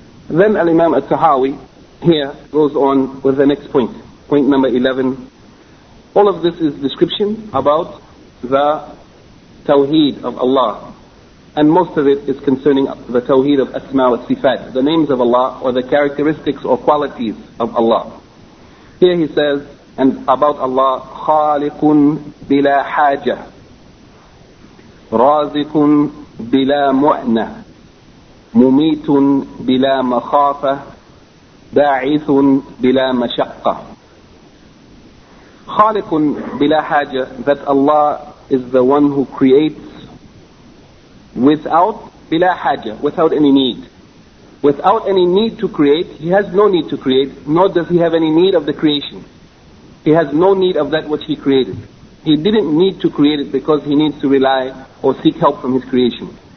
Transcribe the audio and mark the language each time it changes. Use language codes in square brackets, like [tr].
[en] Then Al-Imam al-Tahawi here goes on with the next point, point number 11. All of this is description about the Tawheed of Allah, and most of it is concerning the tawheed of asma wa sifat, the names of Allah or the characteristics or qualities of Allah. Here he says, and about Allah, [ar] خَالِقٌ بِلَا حَاجَةٍ رَازِقٌ بِلَا مُعْنَةٍ مُمِيتٌ بِلَا مَخَافَةٍ بَاعِثٌ بِلَا مَشَقَّةٍ. خَالِقٌ بِلَا حَاجَةٍ, [en] that Allah is the one who creates without, [ar] بِلَا حَاجَةٍ, [en] without any need. Without any need to create, he has no need to create, nor does he have any need of the creation. He has no need of that which he created. He didn't need to create it because he needs to rely or seek help from his creation.